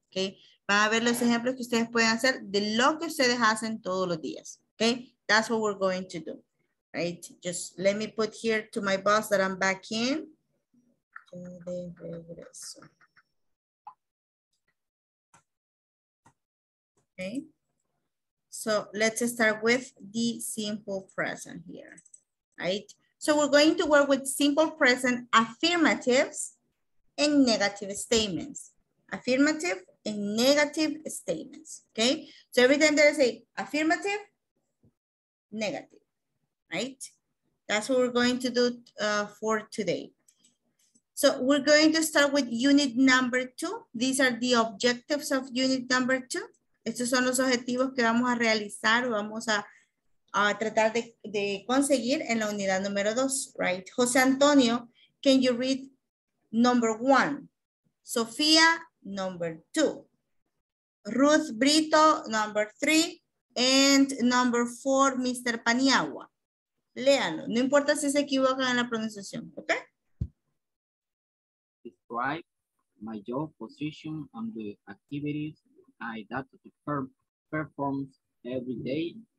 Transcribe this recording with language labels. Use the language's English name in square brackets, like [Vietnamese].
[Spanish] Okay, van a ver los ejemplos que ustedes pueden hacer de lo que ustedes hacen todos los días. [English] Okay, that's what we're going to do. Right, just let me put here to my boss that I'm back in. [Spanish] De regreso. [English] Okay, so let's start with the simple present here. Right. So we're going to work with simple present affirmatives and negative statements. Affirmative and negative statements, okay? So every time that I say affirmative, negative, right? That's what we're going to do for today. So we're going to start with unit number 2. These are the objectives of unit number 2. [Spanish] Estos son los objetivos que vamos a realizar, vamos a tratar de conseguir en la unidad número 2, right? [English] José Antonio, can you read number 1? Sofía, number 2. Ruth Brito, number 3. And number 4, Mr. Paniagua. [Spanish] Léalo, no importa si se equivocan en la pronunciación, ¿ok? [English] Describe my job position and the activities I that perform every day.